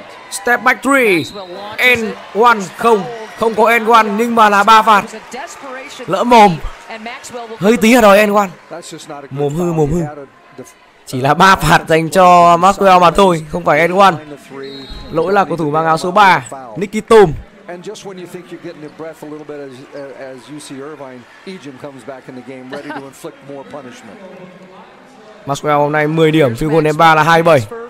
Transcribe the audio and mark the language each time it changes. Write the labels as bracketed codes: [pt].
[vi] Step back 3, N1, không. Không có N1 nhưng mà là ba phạt. Lỡ mồm. Hơi tí là đòi N1. Mồm hư, mồm hư. Chỉ là ba phạt dành cho Maxwell mà thôi, không phải N1. Lỗi là cầu thủ mang áo số 3, Nicky Tom. [en] And just when you think you're getting your breath a little bit as UC Irvine, Ejim comes back in the game ready to inflict more punishment. [vi] Maxwell hôm nay 10 điểm, field goal ném 3 là 27.